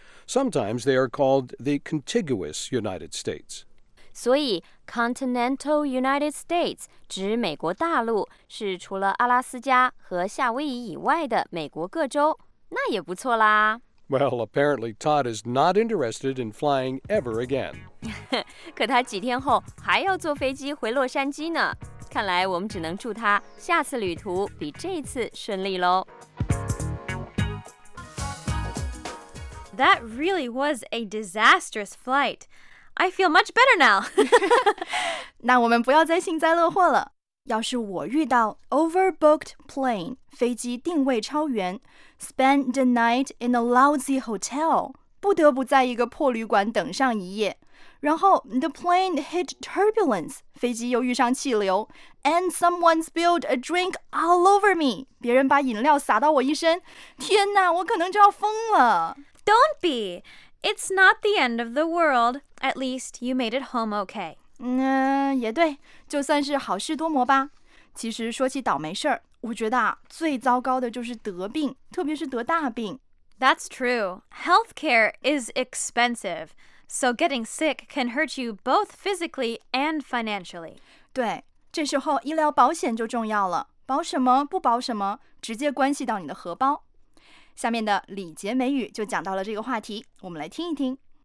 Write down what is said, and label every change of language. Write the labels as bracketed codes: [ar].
[en] Sometimes they are called the contiguous United States. [zh] 所以 [en] continental United States [zh] 指美国大陆是除了阿拉斯加和夏威夷以外的美国各州，那也不错啦。 [en] Well, apparently Todd is not interested in flying ever again. [zh] 可他几天后还要坐飞机回洛杉矶呢。看来我们只能祝他下次旅途比这次顺利咯。 [en] That really was a disastrous flight. I feel much better now. [zh] 那我们不要再幸灾乐祸了。要是我遇到 [en] overbooked plane, [zh] 飞机定位超员 [en] spend the night in a lousy hotel, [zh] 不得不在一个破旅馆等上一夜然后 [en] the plane hit turbulence, [zh] 飞机又遇上气流 [en] and someone spilled a drink all over me, [zh] 别人把饮料洒到我一身天哪我可能就要疯了 [en] Don't be, it's not the end of the world, at least you made it home okay. [zh] 嗯，也对，就算是好事多磨吧。其实说起倒霉事儿，我觉得啊，最糟糕的就是得病，特别是得大病。 [en] That's true. Healthcare is expensive, so getting sick can hurt you both physically and financially. [zh] 对，这时候医疗保险就重要了。保什么不保什么，直接关系到你的荷包。下面的礼节美语就讲到了这个话题，我们来听一听。